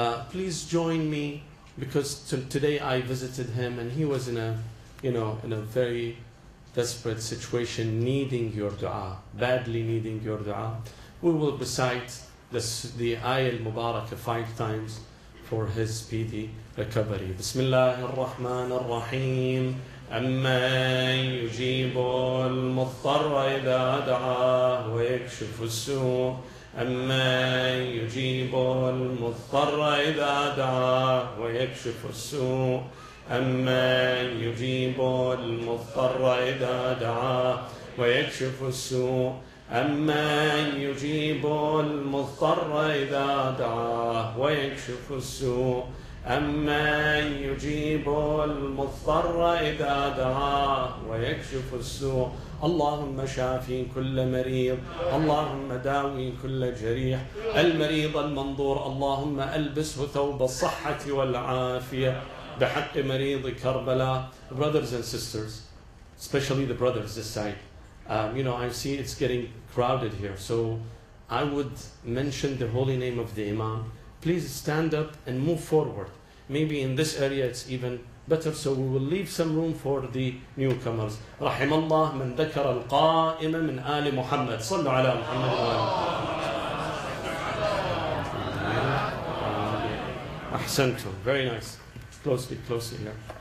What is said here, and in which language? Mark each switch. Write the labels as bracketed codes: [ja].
[en] Please join me, because today I visited him and he was in a very desperate situation, needing your dua, badly needing your dua. We will recite the ayah al-mubarakah 5 times for his speedy recovery. [ar] Bismillah ar-Rahman ar-Rahim. أَمَّنْ يُجِيبُ الْمُضْطَرَّ إِذَا دَعَاهُ وَيَكْشِفُ السُّوءَ أَمَّنْ يُجِيبُ الْمُضْطَرَّ إِذَا دَعَاهُ وَيَكْشِفُ السُّوءَ أَمَّنْ يُجِيبُ الْمُضْطَرَّ إِذَا دَعَاهُ وَيَكْشِفُ السُّوءَ أَمَّنْ يُجِيبُ الْمُضْطَرَّ إِذَا دَعَاهُ وَيَكْشِفُ السُّوءَ أَمَّنْ يُجِيبُ الْمُضْطَرَّ إِذَا دَعَاهُ وَيَكْشِفُ السُّوءَ اللهم شافي كل مريض، اللهم داوي كل جريح، المريض المنظور، اللهم ألبسه ثوب الصحة والعافية بحق مريض كربلاء. [en] Brothers and sisters, especially the brothers this side, you know, I see it's getting crowded here, so I would mention the holy name of the Imam. Please stand up and move forward. Maybe in this area it's even better, so we will leave some room for the newcomers. [ar] رحم الله من ذكر القائمة من آل محمد. صلوا على محمد وآل محمد. أحسنتم. [en] Very nice. Closely here.